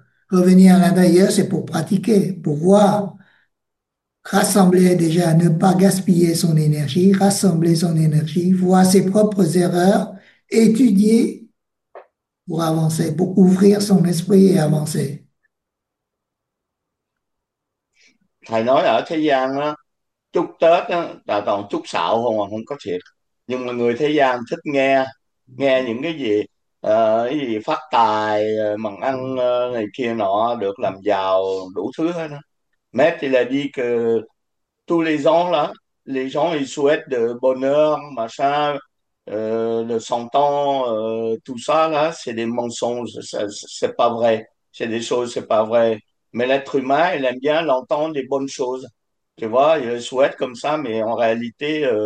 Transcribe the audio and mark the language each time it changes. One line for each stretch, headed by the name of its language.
French: Revenir à l'intérieur, c'est pour pratiquer, pour voir. Rassembler déjà, ne pas gaspiller son énergie, rassembler son énergie, voir ses propres erreurs, étudier pour avancer, pour ouvrir son esprit et avancer.
Vietnamese: Thầy nói ở thế gian á, chúc Tết á, là toàn chúc xạo không mà không có thiệt. Nhưng mà người thế gian thích nghe nghe những cái gì gì phát tài, bằng ăn này kia nọ, được làm giàu đủ thứ hết đó.
French: Mais il a dit que tous les gens là, les gens ils souhaitent de bonheur, machin, de 100 ans, tout ça là, c'est des mensonges, c'est pas vrai, c'est des choses, c'est pas vrai. Mais l'être humain, il aime bien l'entendre des bonnes choses. Tu vois, il souhaite comme ça, mais en réalité,